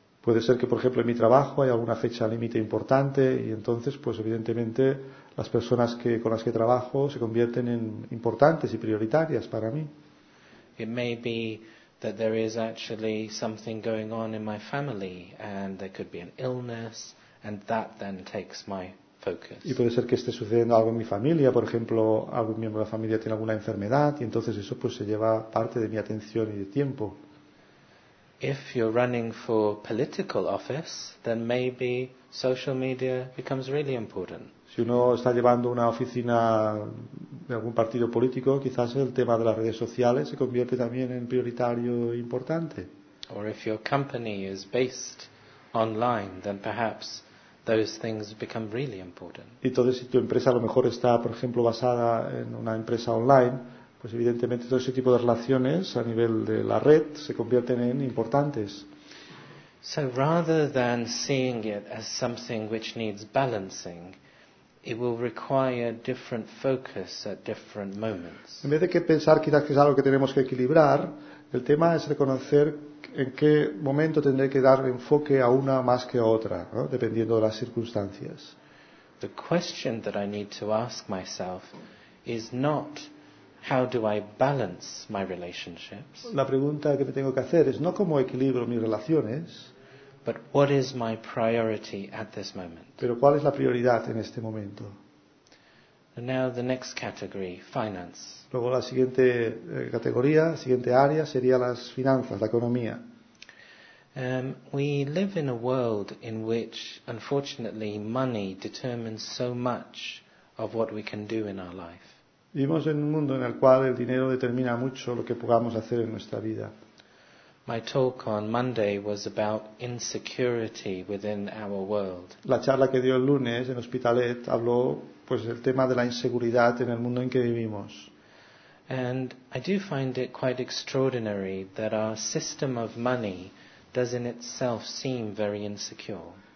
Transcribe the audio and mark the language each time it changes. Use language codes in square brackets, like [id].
[es] Puede ser que, por ejemplo, en mi trabajo hay alguna fecha límite importante y entonces, pues evidentemente, las personas que, con las que trabajo se convierten en importantes y prioritarias para mí. [en] It may be that there is actually something going on in my family and there could be an illness and that then takes my focus. [es] Y puede ser que esté sucediendo algo en mi familia, por ejemplo, algún miembro de la familia tiene alguna enfermedad y entonces eso pues se lleva parte de mi atención y de tiempo. [en] If you're running for political office, then maybe social media becomes really important. [es] Si uno está llevando una oficina de algún partido político, quizás el tema de las redes sociales se convierte también en prioritario e importante. [en] Or if your company is based online, then perhaps those things become really important. [es] Y entonces si tu empresa a lo mejor está, por ejemplo, basada en una empresa online, pues evidentemente todo ese tipo de relaciones a nivel de la red se convierten en importantes. [en] So rather than seeing it as something which needs balancing, it will require different focus at different moments. [es] En vez de que pensar quizás que es algo que tenemos que equilibrar, el tema es reconocer en qué momento tendré que dar enfoque a una más que a otra, ¿no?, dependiendo de las circunstancias. [en] The question that I need to ask myself is not how do I balance my relationships? [es] La pregunta que me tengo que hacer es no cómo equilibro mis relaciones, [en] but what is my priority at this moment? [es] Pero ¿cuál es la prioridad en este momento? [en] And now the next category, finance. [es] Luego la siguiente categoría, siguiente área sería las finanzas, la economía. [en] We live in a world in which, unfortunately, money determines so much of what we can do in our life. [es] Vivimos en un mundo en el cual el dinero determina mucho lo que podamos hacer en nuestra vida. [en] My talk on Monday was about insecurity within our world. [es] La charla que dio el lunes en Hospitalet habló pues del tema de la inseguridad en el mundo en que vivimos. [en] And I do find it quite extraordinary that our system of money does in itself seem very insecure.